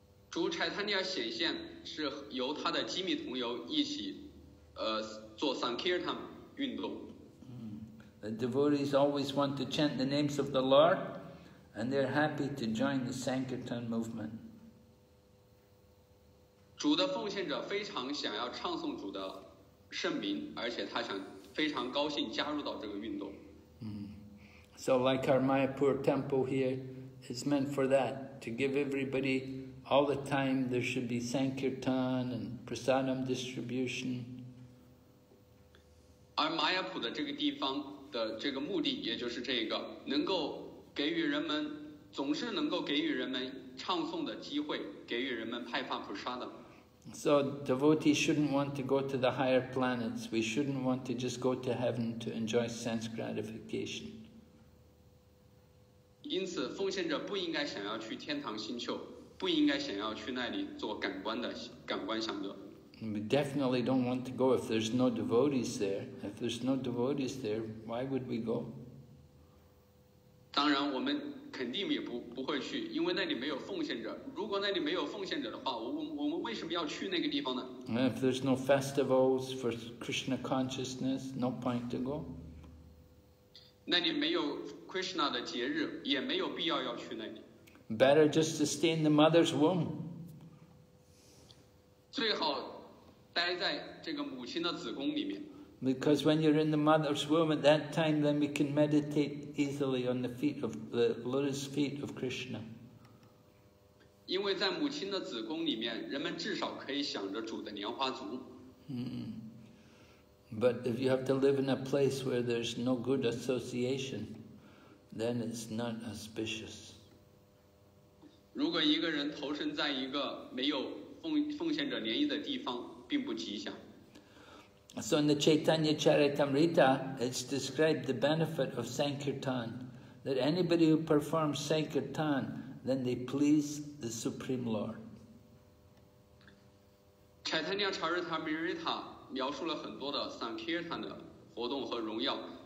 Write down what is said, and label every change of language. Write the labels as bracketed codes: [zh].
[zh] 主柴塔尼亚显现是由他的机密同游一起，做 Sankirtan 运动。 [en] The devotees always want to chant the names of the Lord, and they're happy to join the Sankirtan movement. [zh] 主的奉献者非常想要唱诵主的圣名，而且他想非常高兴加入到这个运动。 [en] So like our Mayapur temple here is meant for that, to give everybody all the time there should be Sankirtan and Prasadam distribution. [zh] 而 Mayapur 的这个地方的这个目的也就是这个，能够给予人们，总是能够给予人们唱诵的机会，给予人们派发 Prasadam。 [en] So devotees shouldn't want to go to the higher planets. We shouldn't want to just go to heaven to enjoy sense gratification. [zh] 因此，奉献者不应该想要去天堂星球，不应该想要去那里做感官的感官享乐。 [en] We definitely don't want to go if there's no devotees there. If there's no devotees there, why would we go? [zh] 当然我们肯定也 不会去，因为那里没有奉献者。如果那里没有奉献者的话，我们为什么要去那个地方呢？ [en] And if there's no festivals for Krishna consciousness, no point to go. [zh] 那里没有 Krishna 的节日，也没有必要要去那里。 [en] Better just to stay in the mother's womb. [zh] 最好待在这个母亲的子宫里面。 [en] Because when you're in the mother's womb at that time, then we can meditate easily on the feet of the lotus feet of Krishna. [zh] 因为在母亲的子宫里面，人们至少可以想着主的莲花足。 [en] But if you have to live in a place where there's no good association, then it's not auspicious. [zh] 如果一个人投身在一个没有奉献者联谊的地方，并不吉祥。 [en] So in the Chaitanya Charitamrita, it's described the benefit of Sankirtan, that anybody who performs Sankirtan, then they please the Supreme Lord. [zh] Chaitanya Charitamrita 描述了很多的 Sankirtan 的活动和荣耀。